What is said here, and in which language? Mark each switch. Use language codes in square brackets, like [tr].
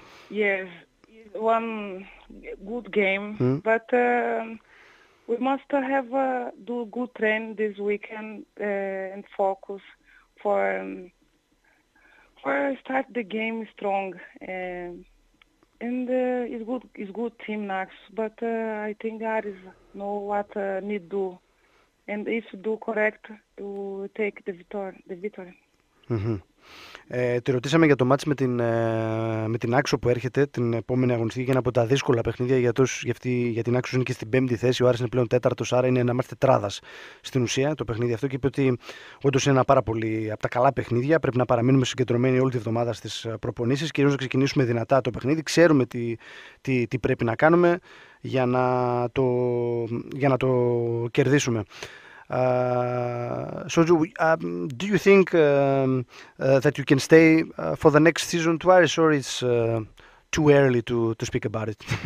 [en] Yes, one good game, but we must have do good training this weekend and focus for start the game strong. And it's good team next, but I think Aris know what need do. And if you do correct, you take the victory. [el] Τη ρωτήσαμε για το μάτς με την Άξο που έρχεται την επόμενη αγωνιστική, και ένα από τα δύσκολα παιχνίδια για την Άξο, είναι και στην πέμπτη θέση. Ο Άρης είναι πλέον τέταρτος, άρα είναι ένα μάτς τετράδας στην ουσία το παιχνίδι αυτό, και είπε ότι όντως είναι ένα πάρα πολύ από τα καλά παιχνίδια. Πρέπει να παραμείνουμε συγκεντρωμένοι όλη τη βδομάδα στις προπονήσεις, κυρίως να ξεκινήσουμε δυνατά το παιχνίδι. Ξέρουμε τι πρέπει να κάνουμε για να το κερδίσουμε. [en] Do you think that you can stay for the next season to Aris, or it's too early to speak about it?